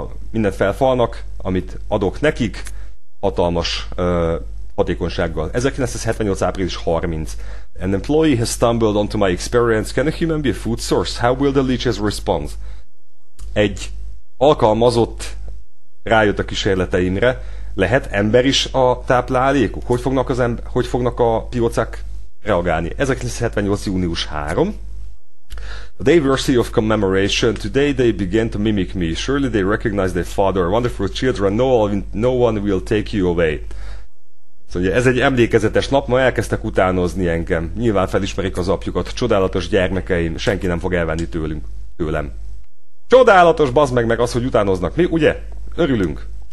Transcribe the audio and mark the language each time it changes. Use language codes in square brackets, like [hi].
[hu] Mindent felfalnak, amit adok nekik, hatalmas hatékonysággal. 1978. április 30. [en] An employee has stumbled onto my experience. Can a human be a food source? How will the leeches respond? [hu] Egy alkalmazott rájött a kísérleteimre. Lehet ember is a táplálékuk? Hogy fognak a piócák reagálni? 1978. június 3. [en] A day worthy of commemoration. Today they began to mimic me. Surely they recognize their father. Wonderful children. No one will take you away. [hu] Szóval ez egy emlékezetes nap. Ma elkezdtek utánozni engem. Nyilván felismerik az apjukat. Csodálatos gyermekeim. Senki nem fog elvenni tőlem. Csodálatos, bazd meg az, hogy utánoznak. Mi, ugye? Örülünk.